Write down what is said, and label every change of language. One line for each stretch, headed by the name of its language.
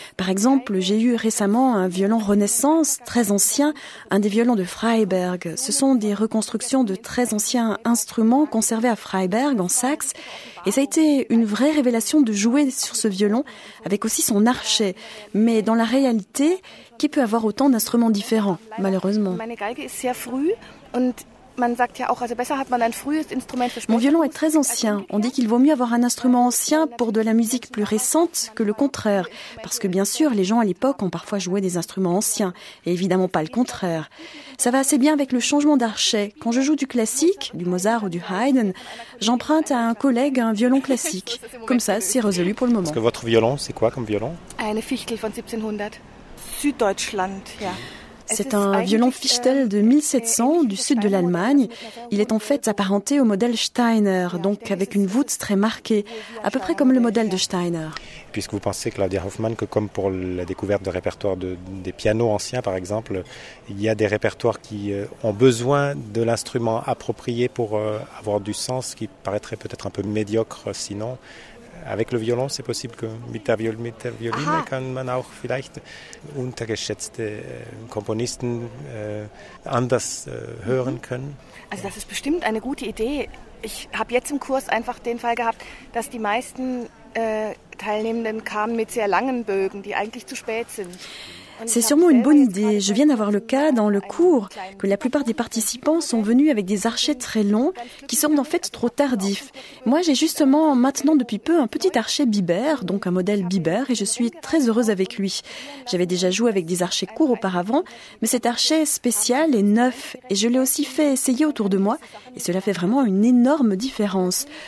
French: Par exemple, j'ai eu récemment un violon Renaissance, très ancien, un des violons de Freiberg. Ce sont des reconstructions de très anciens instruments conservés à Freiberg, en Saxe. Et ça a été une vraie révélation de jouer sur ce violon, avec aussi son archet. Mais dans la réalité, qui peut avoir autant d'instruments différents, malheureusement.
German: Meine Geige ist sehr früh und
French: Mon violon est très ancien. On dit qu'il vaut mieux avoir un instrument ancien pour de la musique plus récente que le contraire. Parce que bien sûr, les gens à l'époque ont parfois joué des instruments anciens. Et évidemment pas le contraire. Ça va assez bien avec le changement d'archet. Quand je joue du classique, du Mozart ou du Haydn, j'emprunte à un collègue un violon classique. Comme ça, c'est résolu pour le moment. Parce que votre violon, c'est quoi comme violon ?
German: Une Fichtel von 1700. Süddeutschland, ja.
French: C'est un violon Fichtel de 1700 du sud de l'Allemagne. Il est en fait apparenté au modèle Steiner, donc avec une voûte très marquée, à peu près comme le modèle de Steiner. Puisque vous pensez, Claudia Hoffmann, que comme pour la découverte de répertoires des pianos anciens, par exemple, il y a des répertoires qui ont besoin de l'instrument approprié pour avoir du sens, qui paraîtrait peut-être un peu médiocre sinon. Avec le violon, c'est possible que
German: mit der Violine kann man auch vielleicht untergeschätzte Komponisten anders hören können. Also das ist bestimmt eine gute Idee. Ich habe jetzt im Kurs einfach den Fall gehabt, dass die meisten Teilnehmenden kamen mit sehr langen Bögen, die eigentlich zu spät sind.
French: C'est sûrement une bonne idée. Je viens d'avoir le cas dans le cours que la plupart des participants sont venus avec des archets très longs qui sont en fait trop tardifs. Moi, j'ai justement maintenant depuis peu un petit archet Biber, donc un modèle Biber, et je suis très heureuse avec lui. J'avais déjà joué avec des archets courts auparavant, mais cet archet spécial est neuf et je l'ai aussi fait essayer autour de moi et cela fait vraiment une énorme différence.